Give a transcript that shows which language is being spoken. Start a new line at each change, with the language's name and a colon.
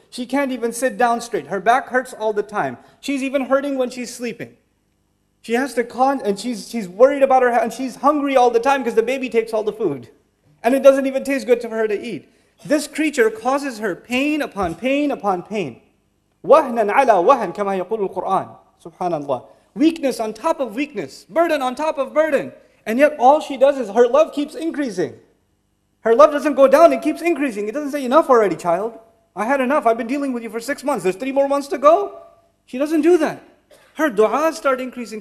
English: She can't even sit down straight. Her back hurts all the time. She's even hurting when she's sleeping. She has to she's worried about her health, and she's hungry all the time because the baby takes all the food. And it doesn't even taste good to her to eat. This creature causes her pain upon pain upon pain.
Arabic: وَهْنًا عَلَى وَهْنًا كَمَا يَقُولُ الْقُرْآنِ Subhanallah.
English: Weakness on top of weakness. Burden on top of burden. And yet all she does is her love keeps increasing. Her love doesn't go down, it keeps increasing. It doesn't say, enough already, child. I had enough, I've been dealing with you for 6 months. There's 3 more months to go. She doesn't do that. Her du'as start increasing.